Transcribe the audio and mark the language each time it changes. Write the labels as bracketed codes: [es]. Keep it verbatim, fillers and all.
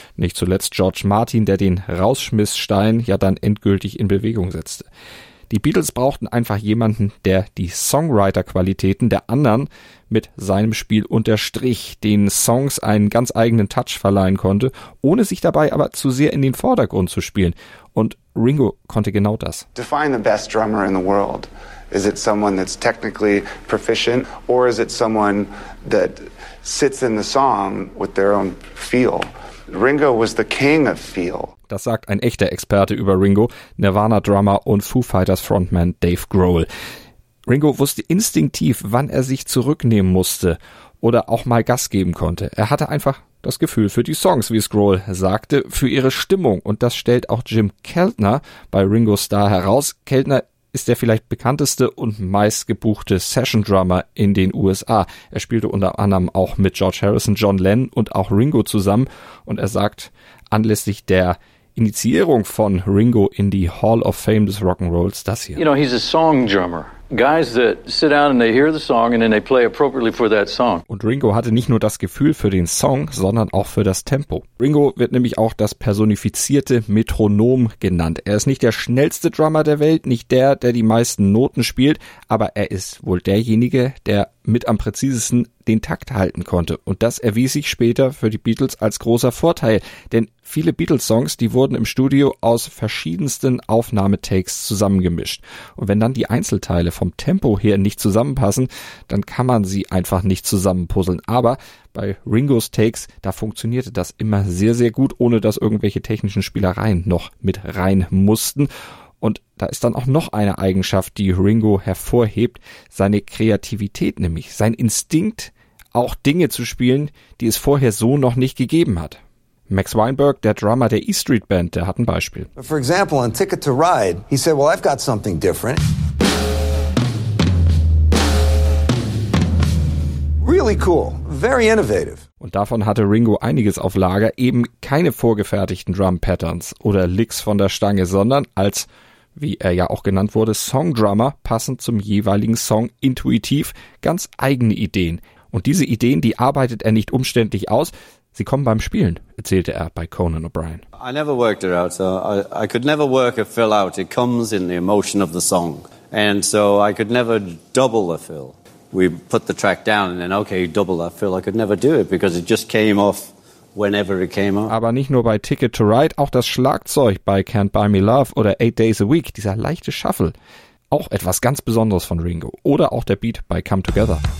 [de] Nicht zuletzt George Martin, der den Rausschmissstein ja dann endgültig in Bewegung setzte. Die Beatles brauchten einfach jemanden, der die Songwriter-Qualitäten der anderen mit seinem Spiel unterstrich, den Songs einen ganz eigenen Touch verleihen konnte, ohne sich dabei aber zu sehr in den Vordergrund zu spielen. Und Ringo konnte genau das. [en] Define the best drummer in the world. Is it someone that's technically proficient or is it someone that sits in the song with their own feel? Ringo was the king of feel. [de] Das sagt ein echter Experte über Ringo, Nirvana-Drummer und Foo Fighters-Frontman Dave Grohl. Ringo wusste instinktiv, wann er sich zurücknehmen musste oder auch mal Gas geben konnte. Er hatte einfach das Gefühl für die Songs, wie es Grohl sagte, für ihre Stimmung. Und das stellt auch Jim Keltner bei Ringo Starr heraus. Keltner ist der vielleicht bekannteste und meistgebuchte Session-Drummer in den U S A. Er spielte unter anderem auch mit George Harrison, John Lennon und auch Ringo zusammen. Und er sagt, anlässlich der Initiierung von Ringo in die Hall of Fame des Rock'n'Rolls, das hier. [en] You know, he's a song drummer. Guys that sit down and they hear the song and then they play appropriately for that song. [de] Und Ringo hatte nicht nur das Gefühl für den Song, sondern auch für das Tempo. Ringo wird nämlich auch das personifizierte Metronom genannt. Er ist nicht der schnellste Drummer der Welt, nicht der, der die meisten Noten spielt, aber er ist wohl derjenige, der mit am präzisesten den Takt halten konnte. Und das erwies sich später für die Beatles als großer Vorteil, denn viele Beatles-Songs, die wurden im Studio aus verschiedensten Aufnahmetakes zusammengemischt. Und wenn dann die Einzelteile vom Tempo her nicht zusammenpassen, dann kann man sie einfach nicht zusammenpuzzeln. Aber bei Ringos Takes, da funktionierte das immer sehr, sehr gut, ohne dass irgendwelche technischen Spielereien noch mit rein mussten. Und da ist dann auch noch eine Eigenschaft, die Ringo hervorhebt, seine Kreativität nämlich, sein Instinkt, auch Dinge zu spielen, die es vorher so noch nicht gegeben hat. Max Weinberg, der Drummer der E Street Band, der hat ein Beispiel. [en] For example, on Ticket to Ride, he said, well, I've got something different. Really cool, very innovative. [de] Und davon hatte Ringo einiges auf Lager, eben keine vorgefertigten Drum-Patterns oder Licks von der Stange, sondern als, wie er ja auch genannt wurde, Songdrummer, passend zum jeweiligen Song, intuitiv, ganz eigene Ideen. Und diese Ideen, die arbeitet er nicht umständlich aus, sie kommen beim Spielen, erzählte er bei Conan O'Brien. [en] I never worked it out, so I, I could never work a fill out. It comes in the emotion of the song. And so I could never double a fill. We put the track down and then, okay, double that fill. I could never do it because it just came off whenever it came off. [de] Aber nicht nur bei Ticket to Ride, auch das Schlagzeug bei Can't Buy Me Love oder Eight Days a Week, dieser leichte Shuffle. Auch etwas ganz Besonderes von Ringo. Oder auch der Beat bei Come Together.